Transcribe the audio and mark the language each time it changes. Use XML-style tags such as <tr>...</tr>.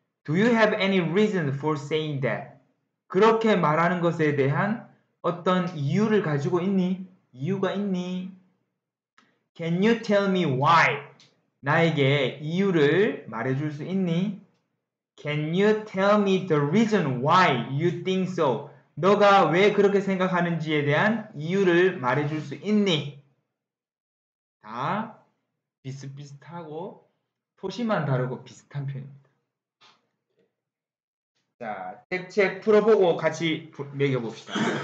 <en>Do you have any reason for saying that?</en> <ko>그렇게 말하는 것에 대한 어떤 이유를 가지고 있니? 이유가 있니?</ko> <en>Can you tell me why?</en> <ko>나에게 이유를 말해줄 수 있니?</ko> <en>Can you tell me the reason why you think so?</en> <ko>너가 왜 그렇게 생각하는지에 대한 이유를 말해줄 수 있니? 다 비슷비슷하고 토시만 다르고 비슷한 편입니다. 자, 책 풀어보고 같이 매겨봅시다.</ko>